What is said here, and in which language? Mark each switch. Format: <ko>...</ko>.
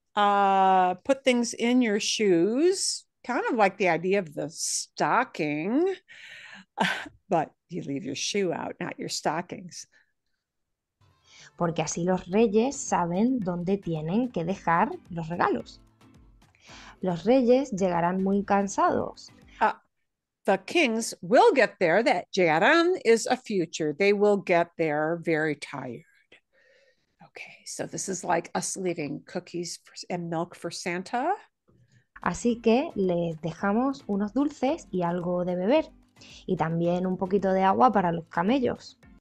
<en>Put things in your shoes, kind of like the idea of the stocking, but you leave your shoe out, not your stockings.</en> <es>Porque así los reyes saben dónde tienen que dejar los regalos. Los reyes llegarán muy cansados.</es> <en>The kings will get there. That llegarán is a future. They will get there very tired. Okay, so this is like us leaving cookies and milk for Santa.</en> <es>Así que les dejamos unos dulces y algo de beber. Y también un poquito de agua para los camellos.</es>